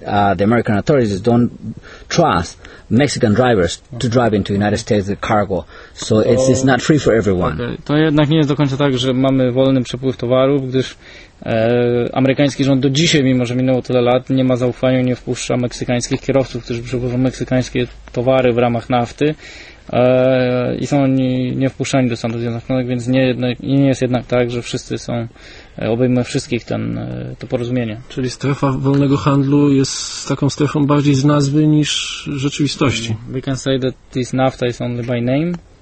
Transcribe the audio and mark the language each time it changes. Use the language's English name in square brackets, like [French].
[English] The American authorities don't trust Mexican drivers to drive into the United States with cargo. So it's not free for everyone. Okay. [Polish] To jednak nie jest do końca tak, że mamy wolny przepływ towarów, gdyż amerykański rząd do dzisiaj, mimo że minęło tyle lat, nie ma zaufania i nie wpuszcza meksykańskich kierowców, którzy przewożą meksykańskie towary w ramach NAFTY. I są oni nie wpuszczani do Stanów Zjednoczonych, więc nie jest jednak tak, że wszyscy są obejmują wszystkich to porozumienie. Czyli strefa wolnego handlu jest taką strefą bardziej z nazwy niż rzeczywistości. [English] We can say that this NAFTA is only by name.